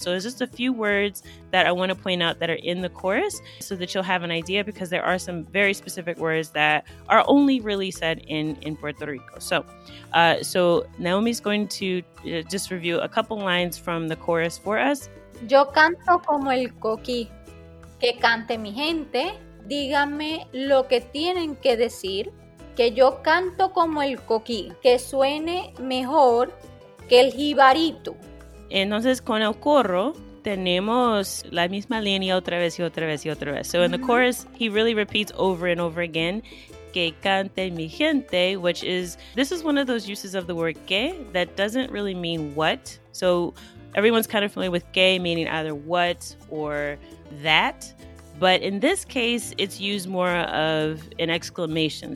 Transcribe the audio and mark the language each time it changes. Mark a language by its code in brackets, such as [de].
[en] So it's just a few words that I want to point out that are in the chorus so that you'll have an idea, because there are some very specific words that are only really said in Puerto Rico. So Naomi's going to just review a couple lines from the chorus for us. [es] Yo canto como el coqui, que cante mi gente. Díganme lo que tienen que decir, que yo canto como el coquí, que suene mejor que el jibarito. Entonces, con el corro, tenemos la misma línea otra vez y otra vez y otra vez. [en] So, in the chorus, he really repeats over and over again, [es] que cante mi gente, [en] which is, this is one of those uses of the word que that doesn't really mean what. So, everyone's kind of familiar with que meaning either what or that. But in this case, it's used more of an exclamation.